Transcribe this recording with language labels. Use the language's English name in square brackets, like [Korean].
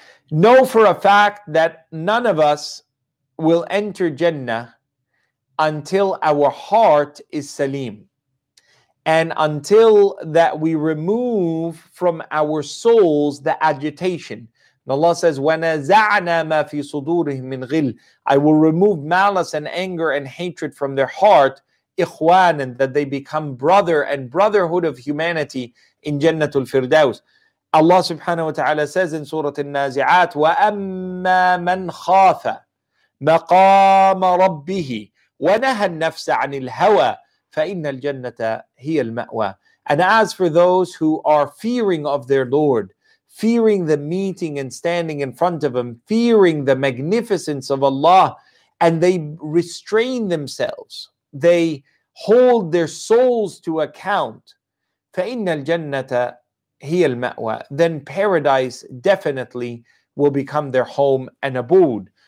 [English] Know for a fact that none of us will enter Jannah until our heart is salim, and until that we remove from our souls the agitation. And Allah says, [Arabic] وَنَزَعْنَا مَا فِي صُدُورِهِمْ مِنْ غِلٍّ. [English] I will remove malice and anger and hatred from their heart, [Arabic] إِخْوَانًا, [English] that they become brother and brotherhood of humanity in Jannatul Firdaus. Allah subhanahu wa ta'ala says in Surah An-Nazi'at, [Arabic] وَأَمَّا مَنْ خَافَ مَقَامَ رَبِّهِ وَنَهَى النَّفْسَ عَنِ الْهَوَى فَإِنَّ الْجَنَّةَ هِيَ الْمَأْوَى. [English] And as for those who are fearing of their Lord, fearing the meeting and standing in front of Him, fearing the magnificence of Allah, and they restrain themselves, they hold their souls to account, [Arabic] فَإِنَّ الْجَنَّةَ هِيَ الْمَأْوَى, [English] then paradise definitely will become their home and abode.